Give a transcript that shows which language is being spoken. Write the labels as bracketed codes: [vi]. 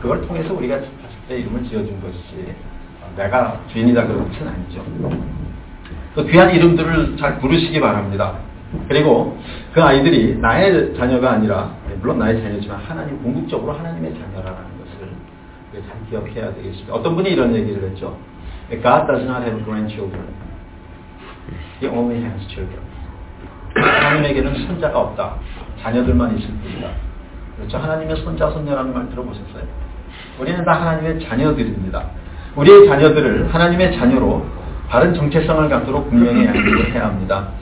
[ko] 그걸 통해서 우리가 자식들의 이름을 지어준 것이지 내가 주인이다 그렇진 않죠. 또 귀한 이름들을 잘 부르시기 바랍니다. 그리고 그 아이들이 나의 자녀가 아니라 물론 나의 자녀지만 하나님 궁극적으로 하나님의 자녀라는 것을 잘 기억해야 되겠습니다. 어떤 분이 이런 얘기를 했죠. [en] God does not have grandchildren. He only has children. [ko] 하나님에게는 손자가 없다. 자녀들만 있을 뿐이다. 그렇죠? 하나님의 손자, 손녀라는 말 들어보셨어요? 우리는 다 하나님의 자녀들입니다. 우리의 자녀들을 하나님의 자녀로 바른 정체성을 갖도록 분명히 양육해야 합니다.